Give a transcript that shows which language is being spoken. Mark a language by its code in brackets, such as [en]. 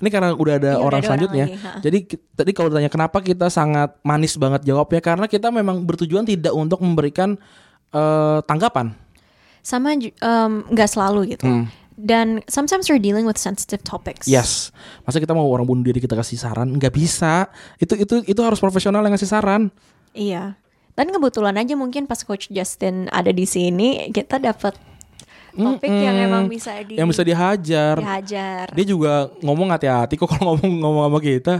[id] Ini karena udah ada orang selanjutnya. Orang jadi tadi kalau ditanya kenapa kita sangat manis banget jawabnya, karena kita memang bertujuan tidak untuk memberikan tanggapan. Sama gak selalu gitu. Dan [en] sometimes we're dealing with sensitive topics. Yes. [id] Masa kita mau orang bunuh diri kita kasih saran? Gak bisa. Itu harus profesional yang ngasih saran. Iya. Dan kebetulan aja mungkin pas Coach Justin ada di sini, kita dapat topik yang emang bisa dihajar. Dia juga ngomong hati-hati kok kalau ngomong sama kita.